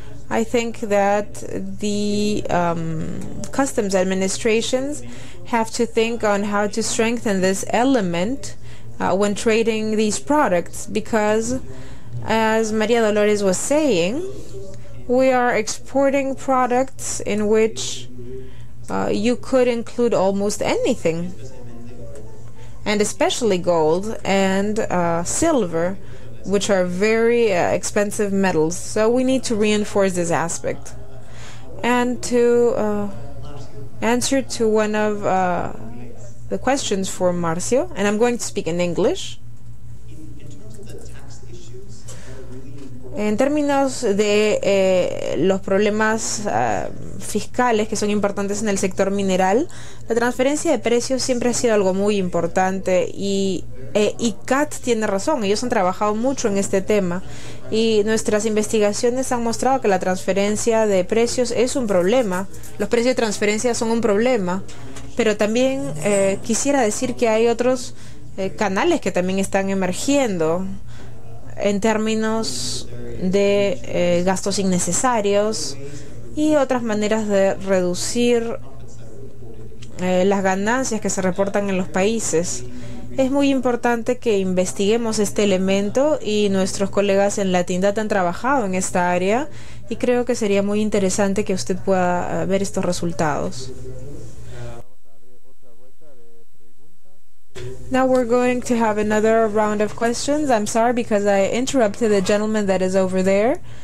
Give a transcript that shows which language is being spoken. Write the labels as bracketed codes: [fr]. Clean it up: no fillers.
[en] I think that the customs administrations have to think on how to strengthen this element when trading these products, because as Maria Dolores was saying, we are exporting products in which you could include almost anything, and especially gold and silver, which are very expensive metals. So we need to reinforce this aspect. And to answer to one of the questions for Marcio, and I'm going to speak in English. [es] En términos de los problemas fiscales que son importantes en el sector mineral, la transferencia de precios siempre ha sido algo muy importante y ICAT tiene razón, ellos han trabajado mucho en este tema y nuestras investigaciones han mostrado que la transferencia de precios es un problema, los precios de transferencia son un problema, pero también quisiera decir que hay otros canales que también están emergiendo en términos de gastos innecesarios y otras maneras de reducir las ganancias que se reportan en los países. Es muy importante que investiguemos este elemento y nuestros colegas en Latindadd han trabajado en esta área y creo que sería muy interesante que usted pueda ver estos resultados. [en] Now we're going to have another round of questions. I'm sorry because I interrupted the gentleman that is over there.